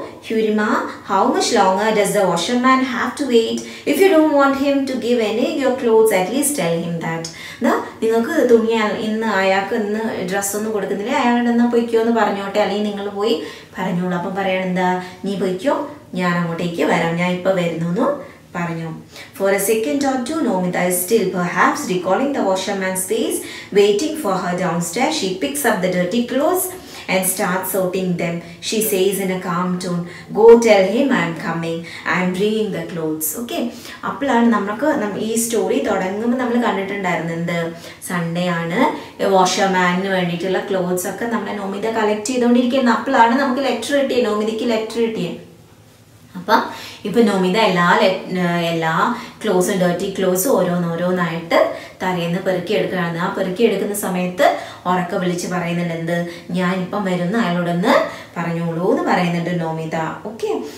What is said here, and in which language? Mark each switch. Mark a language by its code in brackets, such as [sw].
[en] ഹ്യൂരിമ how much longer does the washerman have to wait if you don't want him to give any your clothes at least tell him that [ml] എന്നാ നിങ്ങൾക്ക് തുണി ഇന്ന് അയാൾക്ക് ഇന്ന് ഡ്രസ്സൊന്നും കൊടുക്കുന്നില്ല അയാളുടെ എന്നാൽ പൊയ്ക്കോ എന്ന് പറഞ്ഞോട്ടെ അല്ലെങ്കിൽ നിങ്ങൾ പോയി പറഞ്ഞോളൂ അപ്പം പറയണെന്താ നീ പൊയ്ക്കോ ഞാൻ അങ്ങോട്ടേക്ക് വരാം ഞാൻ ഇപ്പം വരുന്നു എന്ന് പറഞ്ഞു [en] For a second or two Nomita is still perhaps recalling the washerman's face waiting for her down stair she picks up the dirty clothes and starts sorting them. She says in a calm tone, go tell him I'm coming. I'm bringing the clothes. Okay. [ml] അപ്പോഴാണ് നമ്മൾക്ക് ഈ story തുടങ്ങുമ്പോൾ നമ്മൾ കണ്ടിട്ടുണ്ടായിരുന്നത് Sunday ആണ് വാഷർമാനിന് വേണ്ടിയിട്ടുള്ള clothes ഒക്കെ നമ്മൾ Nomita collect ചെയ്തുകൊണ്ടിരിക്കുന്നത് അപ്പോഴാണ് നമുക്ക് ലെറ്റർ കിട്ടിയത് നോമിതയ്ക്ക് ലെറ്റർ കിട്ടിയത് അപ്പം ഇപ്പം നോമിത എല്ലാ ക്ലോസും ഡേർട്ടി ക്ലോസും ഓരോന്നോരോന്നായിട്ട് തലേന്ന് പെറുക്കി എടുക്കുകയാണ് ആ പെറുക്കി എടുക്കുന്ന സമയത്ത് ഉറക്കെ വിളിച്ച് പറയുന്നുണ്ട് എന്ത് ഞാനിപ്പം വരുന്ന അയാളോടൊന്ന് പറഞ്ഞോളൂ എന്ന് പറയുന്നുണ്ട് നോമിത ഓക്കെ